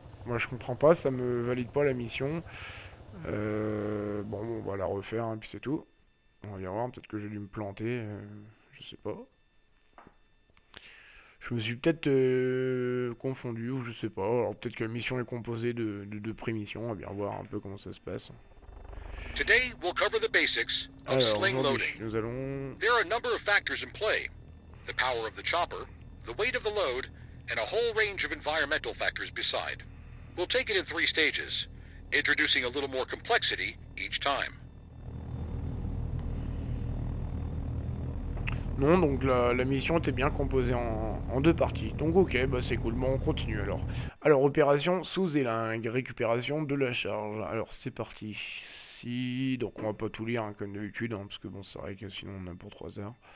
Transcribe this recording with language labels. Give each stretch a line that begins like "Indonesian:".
French: Moi je comprends pas, ça me valide pas la mission. Bon, on va la refaire, hein, puis c'est tout. On va bien voir, peut-être que j'ai dû me planter. Je sais pas. Je me suis peut-être confondu, ou je sais pas. Alors peut-être que la mission est composée de deux pré-missions. On va bien voir un peu comment ça se passe.
English: Today, we'll cover the basics of sling loading.
French: Nous allons.
English: There are a number of factors in play: the power of the chopper, the weight of the load, and a whole range of environmental factors beside. We'll take it in three stages, introducing a little more complexity each time.
French: Non, donc la mission était bien composée en deux parties. Donc ok, bah c'est cool, bon, on continue alors. Alors, opération sous Zelingue, récupération de la charge. Alors c'est parti. Si, donc on va pas tout lire hein, comme d'habitude, hein, parce que bon, c'est vrai que sinon on a pour 3 heures.